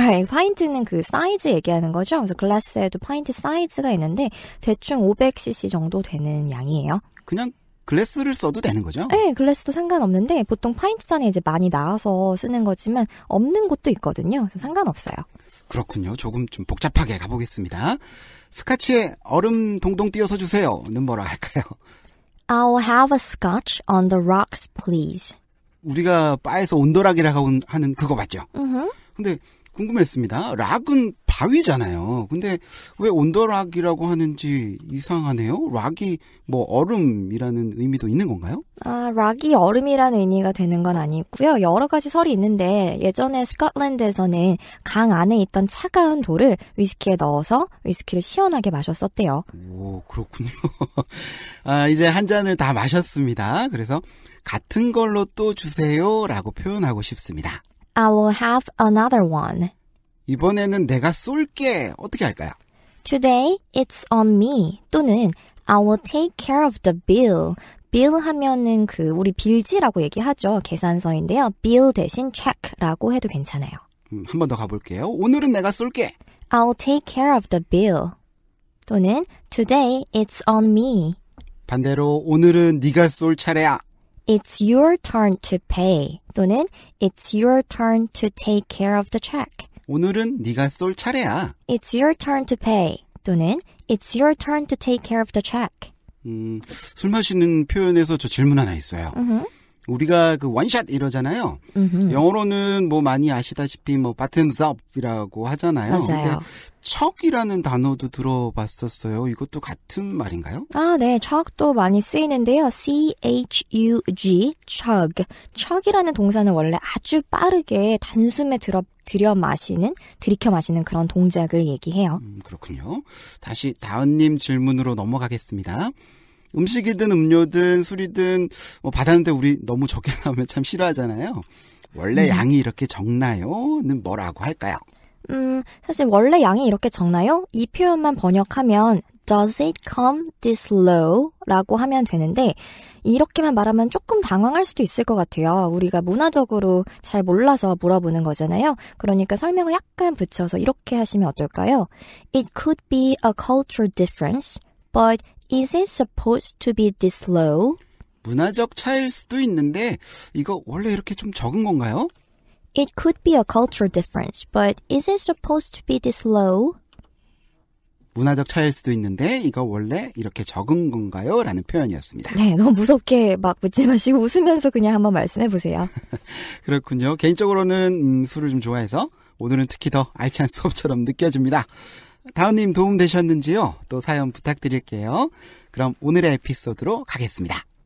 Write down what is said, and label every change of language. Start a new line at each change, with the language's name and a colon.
Korean: 네, 파인트는 그 사이즈 얘기하는 거죠. 그래서 글라스에도 파인트 사이즈가 있는데 대충 500cc 정도 되는 양이에요. 그냥 글래스를 써도 되는 거죠? 네, 글래스도 상관없는데 보통 파인트 잔에 이제 많이 나와서 쓰는 거지만 없는 곳도 있거든요. 그래서 상관없어요. 그렇군요. 조금 좀 복잡하게 가보겠습니다. 스카치에 얼음 동동 띄워서 주세요는 뭐라 할까요?
English: I'll have a scotch on the rocks, please.
Korean: 우리가 바에서 온더락이라고 하는 그거 맞죠? 근데 궁금했습니다. 락은 바위잖아요. 근데 왜 온더락이라고 하는지 이상하네요. 락이 뭐 얼음이라는 의미도 있는 건가요? 아, 락이 얼음이라는 의미가 되는 건 아니고요. 여러 가지 설이 있는데 예전에 스코틀랜드에서는 강 안에 있던 차가운 돌을 위스키에 넣어서 위스키를 시원하게 마셨었대요. 오, 그렇군요. 아, 이제 한 잔을 다 마셨습니다. 그래서 같은 걸로 또 주세요 라고 표현하고 싶습니다.
English: I will have another one.
Korean: 이번에는 내가 쏠게. 어떻게 할까요?
English: Today it's on me.
Korean: 또는
English: I will take care of the bill.
Korean: Bill 하면은 그 우리 빌지라고 얘기하죠. 계산서인데요. Bill 대신 check라고 해도 괜찮아요. 한 번 더 가볼게요. 오늘은 내가 쏠게. I will take care of the bill. 또는 Today it's on me. 반대로 오늘은 네가 쏠 차례야.
English: It's your turn to pay.
Korean: 또는
English: It's your turn to take care of the check.
Korean: 오늘은 네가 쏠 차례야.
English: It's your turn to pay.
Korean: 또는
English: It's your turn to take care of the check.
Korean: 술 마시는 표현에서 저 질문 하나 있어요. 우리가 그 원샷 이러잖아요. 영어로는 뭐 많이 아시다시피 뭐 bottoms up이라고 하잖아요. 맞아요. 척이라는 단어도 들어봤었어요. 이것도 같은 말인가요? 아, 네. 척도 많이 쓰이는데요. C-H-U-G, chug. 척이라는 동사는 원래 아주 빠르게 단숨에 들여 마시는, 들이켜 마시는 그런 동작을 얘기해요. 그렇군요. 다시 다은님 질문으로 넘어가겠습니다. 음식이든 음료든 술이든 뭐 받았는데 우리 너무 적게 나오면 참 싫어하잖아요. 원래 양이 이렇게 적나요?는 뭐라고 할까요? 사실 원래 양이 이렇게 적나요? 이 표현만 번역하면
English: Does it come this low?
Korean: 라고 하면 되는데 이렇게만 말하면 조금 당황할 수도 있을 것 같아요. 우리가 문화적으로 잘 몰라서 물어보는 거잖아요. 그러니까 설명을 약간 붙여서 이렇게 하시면 어떨까요?
English: It could be a cultural difference, but Is it supposed to be this low?
Korean: 문화적 차이일 수도 있는데 이거 원래 이렇게 좀 적은 건가요?
English: It could be a culture difference, but is it supposed to be this low?
Korean: 문화적 차이일 수도 있는데 이거 원래 이렇게 적은 건가요? 라는 표현이었습니다. 네, 너무 무섭게 막 묻지 마시고 웃으면서 그냥 한번 말씀해 보세요. 그렇군요. 개인적으로는 술을 좀 좋아해서 오늘은 특히 더 알찬 수업처럼 느껴집니다. 다은님 도움 되셨는지요? 또 사연 부탁드릴게요. 그럼 오늘의 에피소드로 가겠습니다.